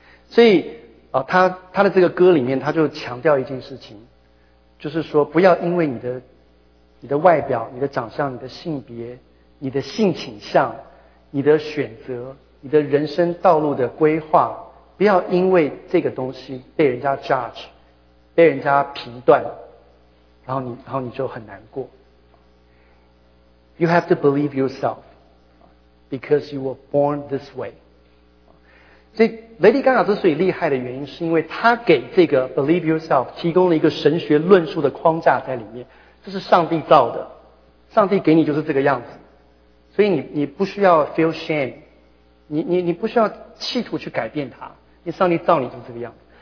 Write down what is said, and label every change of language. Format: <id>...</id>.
<zh>所以他的这个歌里面，他就强调一件事情，就是说不要因为你的外表、你的长相、你的性别、你的性倾向、你的选择、你的人生道路的规划，不要因为这个东西被人家 judge， 被人家评断，然后你就很难过。</zh> <en>You have to believe yourself because you were born this way。</en> <zh>所以 Lady Gaga 之所以厉害的原因，是因为她给这个 believe yourself 提供了一个神学论述的框架在里面，这是上帝造的，上帝给你就是这个样子，所以你不需要</zh> <en>feel shame，</en> <zh>你不需要企图去改变它，因为上帝造你就是这个样子。</zh>